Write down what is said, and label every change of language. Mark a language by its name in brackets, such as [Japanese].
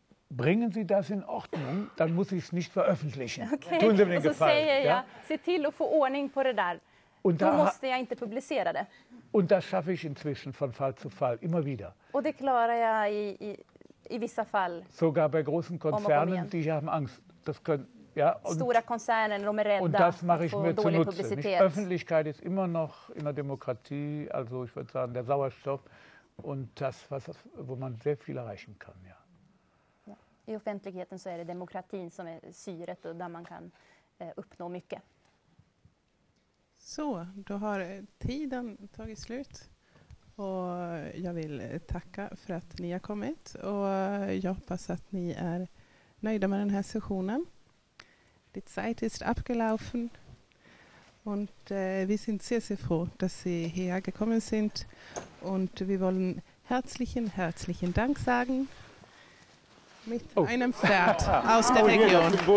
[German] bringen Sie das in Ordnung, dann muss ich es nicht veröffentlichen. Okay. Tun Sie mir den Gefallen. [Swedish] Säger jag, se till att få ordning på det där. Då måste jag inte publicera det. [German] Und das schaffe ich inzwischen von Fall zu Fall, immer wieder. [Swedish] Och det klarar jag i vissa fall. [German] Sogar bei großen Konzernen, die haben Angst. Das können, ja, [Swedish] und, stora koncernen, de är rädda. [German] Und das mache ich mir zunutze. Öffentlichkeit ist immer noch in der Demokratie, also ich würde sagen, der Sauerstoff. Und das, was, wo man sehr viel erreichen kann, ja. [Swedish] I offentligheten så är det demokratin som är syret och där man kan uppnå mycket. Så, då har tiden tagit slut. Och jag vill tacka för att ni har kommit. Och jag hoppas att ni är nöjda med den här sessionen. [German] Die Zeit ist abgelaufen. Und wir sind sehr, sehr froh, dass Sie hierher gekommen sind. Und wir wollen herzlichen, herzlichen Dank sagen. Mit einem Pferd aus der Region.